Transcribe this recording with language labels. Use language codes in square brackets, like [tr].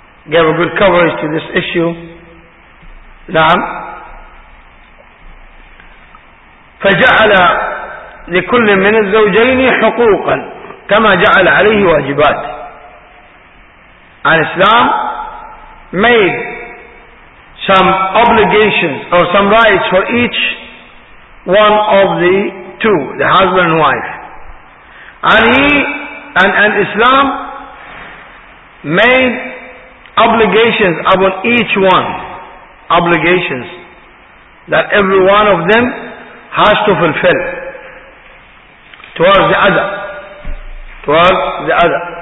[en] Gave a good coverage to this issue. [ar] نعم. فجعل لكل من الزوجين حقوقا كما جعل عليه واجبات. [en] And Islam made some obligations or some rights for each one of the two, the husband and wife. And Islam made obligations upon each one, obligations that every one of them has to fulfill towards the other, towards the other.